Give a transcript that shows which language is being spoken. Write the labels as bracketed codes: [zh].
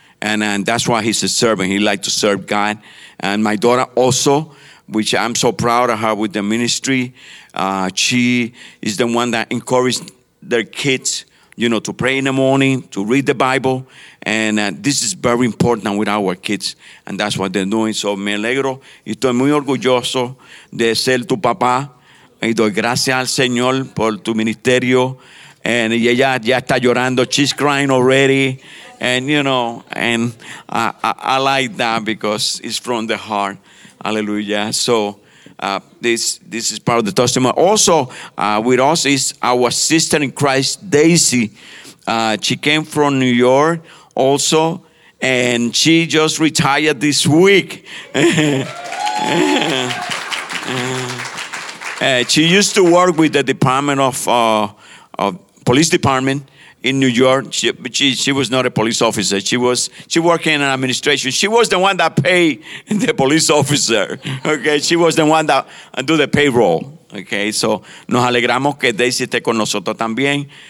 [en] And that's why he's a servant. He likes to serve God. And my daughter also, which I'm so proud of her with the ministry, she is the one that encouraged their kids, you know, to pray in the morning, to read the Bible. And this is very important with our kids. And that's what they're doing. [es] So me alegro. Estoy muy orgulloso de ser tu papá. Y doy gracias al Señor por tu ministerio. And ella ya está llorando. [en] She's crying already. And, you know, and I like that because it's from the heart. Hallelujah. So this is part of the testimony. Also, with us is our sister in Christ, Daisy. She came from New York also, And she just retired this week. She used to work with the Department of Police Department in New York. She was not a police officer. She worked in an administration. She was the one that paid the police officer. Okay, she was the one that do the payroll. [es] Okay, so nos alegramos que Daisy esté con nosotros también.